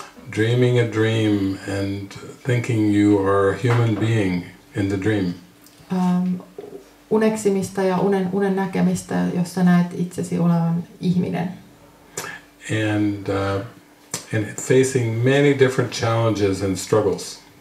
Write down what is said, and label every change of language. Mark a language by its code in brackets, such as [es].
[en] Dreaming a dream and thinking you are a human being in the dream. [fi] Uneksimista ja unen näkemistä, jossa näet itsesi olevan ihminen. [en] And facing many different challenges and struggles.